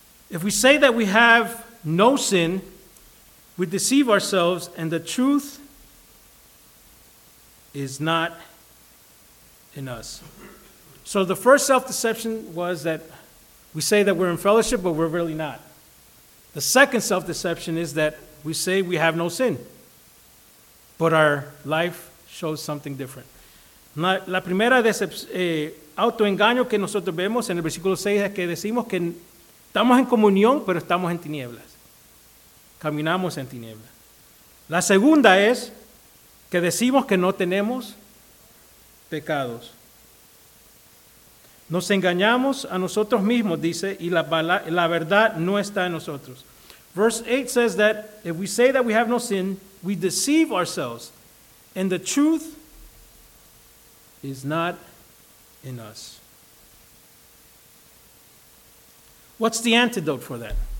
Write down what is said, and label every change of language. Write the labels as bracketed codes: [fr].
[en] If we say that we have no sin, we deceive ourselves and the truth is not in us. So the first self-deception was that we say that we're in fellowship, but we're really not. The second self-deception is that we say we have no sin, but our life shows something different. [es] La primera autoengaño que nosotros vemos en el versículo 6 es que decimos que estamos en comunión, pero estamos en tinieblas. Caminamos en tinieblas. La segunda es que decimos que no tenemos pecados. Nos engañamos a nosotros mismos, dice, y la verdad no está en nosotros. [en] Verse 8 says that if we say that we have no sin, we deceive ourselves, and the truth is not in us. What's the antidote for that?